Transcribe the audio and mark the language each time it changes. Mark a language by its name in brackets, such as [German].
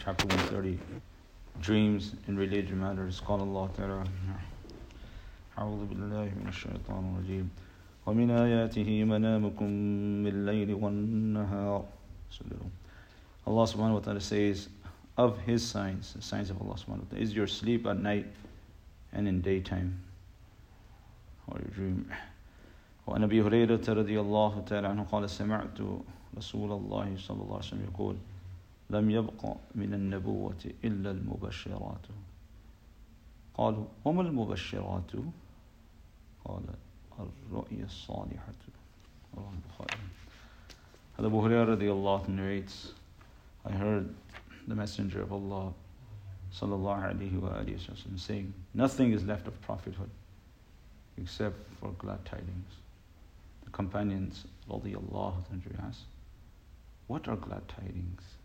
[English] Chapter 130, Dreams and Related Matters. [Arabic] قال الله تعالى أعوذ بالله من الشيطان الرجيم ومن آياته منامكم بالليل والنهار. [English] Allah subhanahu wa ta'ala says, of his signs, the signs of Allah subhanahu wa ta'ala, is your sleep at night and in daytime, or your dream. [Arabic] وعن أبي هريرة رضي الله تعالى عنه قال سمعت رسول الله صلى الله عليه وسلم يقول لم يبقى من النبوة إلا المبشرات. قالوا وما المبشرات؟ قال الرؤيا الصالحة. رواه البخاري. أبو هريرة رضي الله عنه [English] narrates, I heard the Messenger of Allah [Arabic] صلى الله عليه وسلم [English] saying, nothing is left of prophethood except for glad tidings. The companions [Arabic] رضي الله عنه [English] asked, what are glad tidings?